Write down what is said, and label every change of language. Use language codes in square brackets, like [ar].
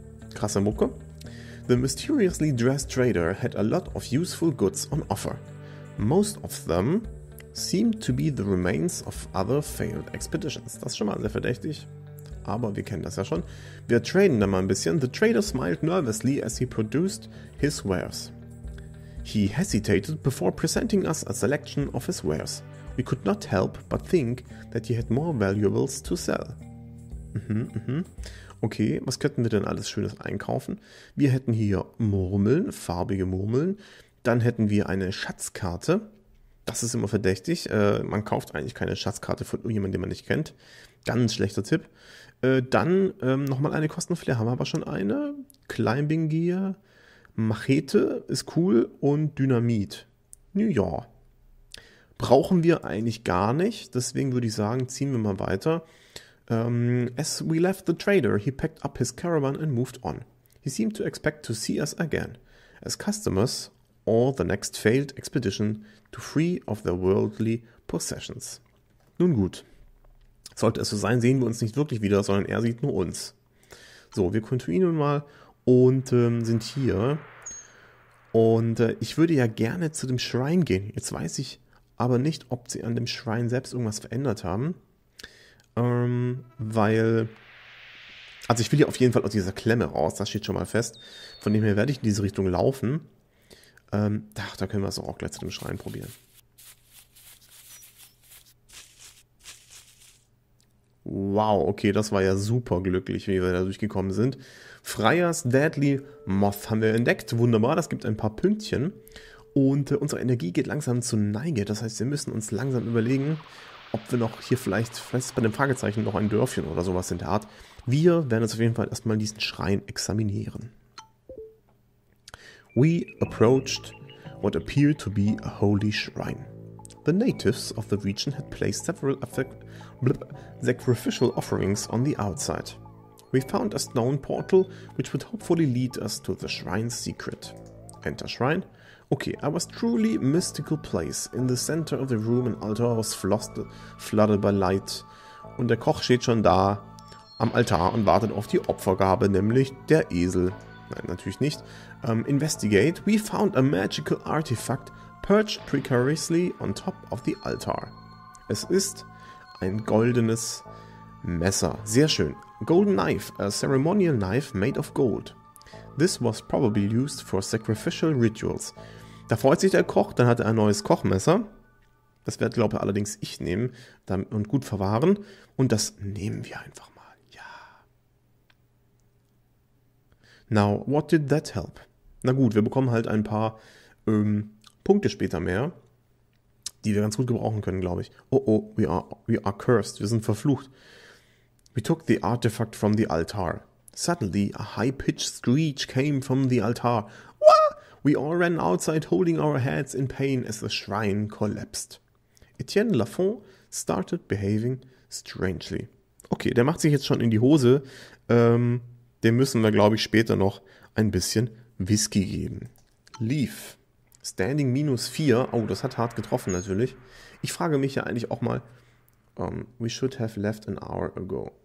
[de] Krasse Mucke. [en] The mysteriously dressed trader had a lot of useful goods on offer. Most of them seemed to be the remains of other failed expeditions. [de] Das ist schon mal sehr verdächtig, aber wir kennen das ja schon. Wir traden da mal ein bisschen. [en] The trader smiled nervously as he produced his wares. He hesitated before presenting us a selection of his wares. We could not help but think that he had more valuables to sell. [de] Okay, was könnten wir denn alles Schönes einkaufen? Wir hätten hier Murmeln, farbige Murmeln. Dann hätten wir eine Schatzkarte. Das ist immer verdächtig. Man kauft eigentlich keine Schatzkarte von jemandem, den man nicht kennt. Ganz schlechter Tipp. Dann nochmal eine Kostenflair. Haben wir aber schon eine. Climbing Gear. Machete ist cool. Und Dynamit. New York. Brauchen wir eigentlich gar nicht. Deswegen würde ich sagen, ziehen wir mal weiter. [en] As we left the trader, he packed up his caravan and moved on. He seemed to expect to see us again. As customers or the next failed expedition to free of their worldly possessions. [de] Nun gut. Sollte es so sein, sehen wir uns nicht wirklich wieder, sondern er sieht nur uns. So, wir kontinuieren mal und sind hier. Und ich würde ja gerne zu dem Shrine gehen. Jetzt weiß ich aber nicht, ob sie an dem Shrine selbst irgendwas verändert haben. Also ich will hier auf jeden Fall aus dieser Klemme raus, das steht schon mal fest. Von dem her werde ich in diese Richtung laufen. Da können wir es auch gleich zu dem Shrine probieren. Wow, okay, das war ja super glücklich, wie wir da durchgekommen sind. Freyas Deadly Moth haben wir entdeckt. Wunderbar, das gibt ein paar Pünktchen. Und unsere Energie geht langsam zu Neige. Das heißt, wir müssen uns langsam überlegen, ob wir noch hier vielleicht bei dem Fragezeichen noch ein Dörfchen oder sowas in der Art. Wir werden jetzt auf jeden Fall erstmal diesen Schrein examinieren. [en] We approached what appeared to be a holy shrine. The natives of the region had placed several sacrificial offerings on the outside. We found a stone portal, which would hopefully lead us to the shrine's secret. Enter shrine. Okay, I was truly mystical place. In the center of the room an altar was flooded by light. [de] Und der Koch steht schon da am Altar und wartet auf die Opfergabe, nämlich der Esel. Nein, natürlich nicht. [en] Investigate. We found a magical artifact perched precariously on top of the altar. [de] Es ist ein goldenes Messer. Sehr schön. [en] Golden knife, a ceremonial knife made of gold. This was probably used for sacrificial rituals. [de] Da freut sich der Koch, dann hat er ein neues Kochmesser. Das werde, glaube ich, allerdings ich nehmen und gut verwahren. Und das nehmen wir einfach mal. Ja. [en] Now, what did that help? [de] Na gut, wir bekommen halt ein paar Punkte später mehr, die wir ganz gut gebrauchen können, glaube ich. [en] Oh, we are cursed. [de] Wir sind verflucht. [en] We took the artifact from the altar. Suddenly, a high-pitched screech came from the altar. What? We all ran outside holding our heads in pain as the shrine collapsed. Etienne Lafont started behaving strangely. [de] Okay, der macht sich jetzt schon in die Hose. Dem müssen wir, glaube ich, später noch ein bisschen Whisky geben. Leaf. [en] Standing minus 4. [de] Oh, das hat hart getroffen natürlich. Ich frage mich ja eigentlich auch mal, [en] we should have left an hour ago.